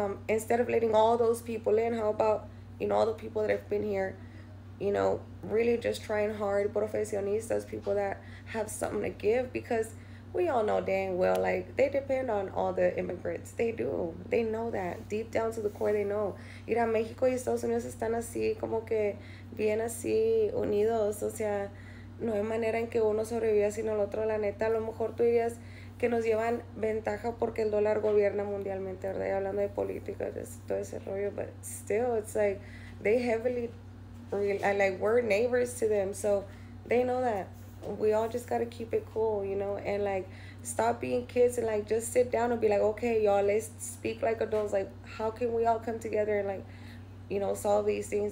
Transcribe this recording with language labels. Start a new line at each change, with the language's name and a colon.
English: Instead of letting all those people in, how about, you know, all the people that have been here, you know, really just trying hard, profesionistas, people that have something to give, because we all know dang well, like, they depend on all the immigrants. They do. They know that. Deep down to the core, they know.
Spanish: Mira, México y Estados Unidos están así, como que bien así, unidos. O sea, no hay manera en que uno sobreviva sino el otro. La neta, a lo mejor tú dirías que nos llevan ventaja porque el dólar gobierna mundialmente, ¿verdad? Hablando de política, todo ese rollo.
English: But still, it's like, they heavily, like, we're neighbors to them. So, they know that. We all just gotta keep it cool, you know, and like stop being kids and like just sit down and be like, okay, y'all, let's speak like adults. Like, how can we all come together and, like, you know, solve these things?